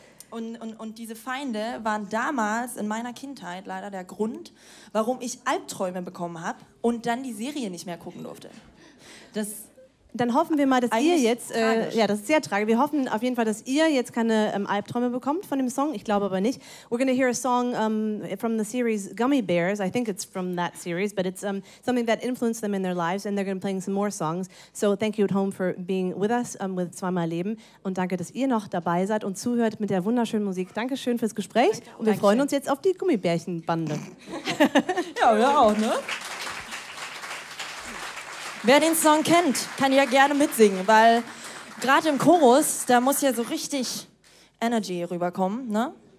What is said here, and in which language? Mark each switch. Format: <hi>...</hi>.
<de>Und diese Feinde waren damals in meiner Kindheit leider der Grund, warum ich Albträume bekommen habe und dann die Serie nicht mehr gucken durfte. Dann hoffen wir mal, dass ihr jetzt... das ist sehr tragisch. Wir hoffen auf jeden Fall, dass ihr jetzt keine Albträume bekommt von dem Song. Ich glaube aber nicht.</de> <en>We're gonna hear a song from the series Gummy Bears. I think it's from that series, but it's something that influenced them in their lives, and they're gonna play some more songs. So thank you at home for being with us with Zweimal Leben.</en> <de>Und danke, dass ihr noch dabei seid und zuhört mit der wunderschönen Musik. Dankeschön fürs Gespräch. Danke, und wir freuen uns jetzt auf die Gummibärchenbande. Ja, wir auch, ne? Wer den Song kennt, kann ja gerne mitsingen, weil gerade im Chorus, da muss ja so richtig Energy rüberkommen, ne?</de>